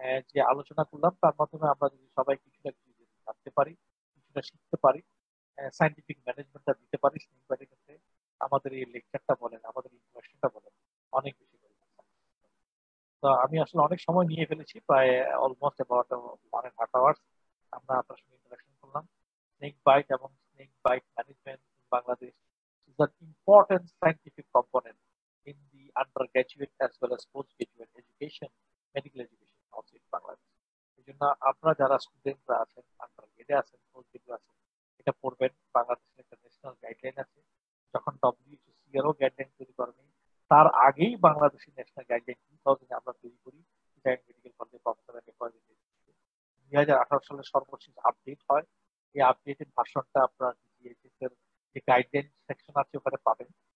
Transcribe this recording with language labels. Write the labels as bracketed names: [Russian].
[Bangla] যে আলোচনা করলাম তার মাধ্যমে আমরা যদি সবাই কিছুটা কিছু জানতে পারি, কিছুটা শিখতে পারি, সাইন্টিফিক ম্যানেজমেন্টটা দিতে পারি স্নেক বাইটের ক্ষেত্রে, আমাদের এই লেকচারটা বলেন, আমাদের এই ইনফরমেশনটা বলেন অনেক বেশি করে। তো আমি আসলে অনেক সময় নিয়ে ফেলেছি, প্রায় অলমোস্ট অ্যাবাউট 1.5 আওয়ার্স আমরা আপনার সঙ্গে ইন্টারাকশন করলাম। [English] Snake bite এবং snake bite management in Bangladesh that important scientific component in the undergraduate as well as postgraduate education, medical education also in Bangladesh. [Bangla] এজন্য আপনারা যারা স্টুডেন্টরা আছেন, আন্ডারগ্রেডে আছেন, পোস্টগ্রেডে আছেন, এটা পড়বেন, বাংলাদেশের একটা ন্যাশনাল গাইডলাইন আছে, যখন WHO গাইডলাইন তৈরি করেন তার আগেই বাংলাদেশের ন্যাশনাল গাইডলাইন 2000 আমরা তৈরি করি, এটা মেডিকেল কলেজে প্রফেসর এম এ ফয়েজ 2018 সালে সর্বশেষ আপডেট হয়, এই আপডেটের ভাষণটা আপনারা দিয়েছেন যে গাইডলাইন সেকশন আছে ওখানে পাবেন,